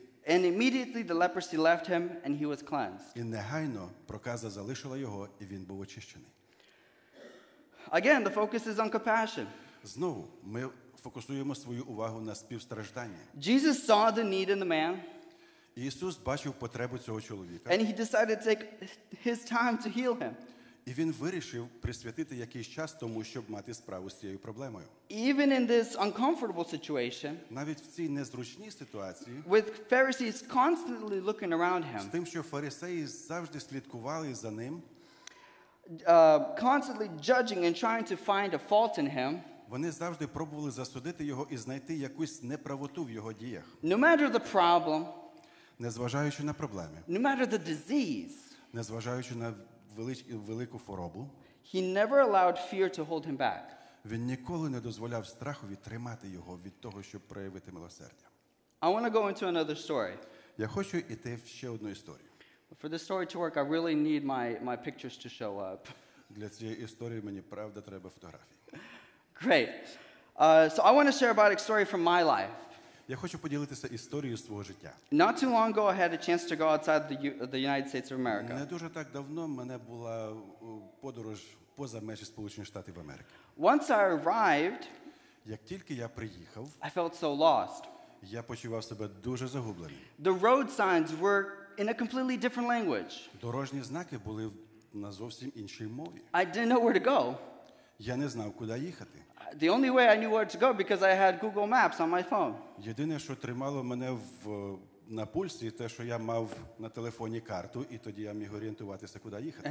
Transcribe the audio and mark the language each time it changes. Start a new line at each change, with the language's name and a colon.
English: And immediately the leprosy left him and he was cleansed.
Ukrainian: І негайно проказа залишила його, і він був очищений.
English: Again, the focus is on compassion.
Ukrainian: Знову ми фокусуємо свою увагу на співстражданні.
English: Jesus saw the need in the man.
Ukrainian: Ісус бачив потребу цього чоловіка.
English: And he decided to take his time to heal him.
Ukrainian: І він вирішив присвятити якийсь час тому, щоб мати справу з цією проблемою.
English: Even in this uncomfortable situation,
Ukrainian: навіть в цій незручній ситуації,
English: with Pharisees constantly looking around him,
Ukrainian: з тим, що фарисеї завжди слідкували за ним,
English: constantly judging and trying to find a fault in him,
Ukrainian: вони завжди пробували засудити його і знайти якусь неправоту в його діях.
English: No matter the problem,
Ukrainian: незважаючи на проблеми,
English: no matter the disease,
Ukrainian: незважаючи на велику хворобу,
English: he never allowed fear to hold him back.
Ukrainian: Він ніколи не дозволяв страху відтримати його від того, щоб проявити милосердя.
English: I want to go into another story.
Ukrainian: Я хочу йти в ще одну історію.
English: For the story to work, I really need my pictures to show up.
Ukrainian: Для цієї історії мені правда треба фотографії.
English: Great. So I want to share about a story from my life.
Ukrainian: Я хочу поділитися історією свого життя.
English: Not too long ago, I had a chance to go outside the United States of America.
Ukrainian: Не дуже так давно в мене була подорож поза межі Сполучених Штатів Америки.
English: Once I arrived,
Ukrainian: як тільки я приїхав,
English: I felt so lost.
Ukrainian: Я почував себе дуже загубленим.
English: The road signs were in a completely different language.
Ukrainian: Дорожні знаки були на зовсім іншій мові.
English: I didn't know where to go.
Ukrainian: Я не знав, куди їхати.
English: The only way I knew where to go because I had Google Maps on my phone.
Ukrainian: Єдине, що тримало мене на пульсі, те, що я мав на телефоні карту, і тоді я міг орієнтуватися, куди їхати.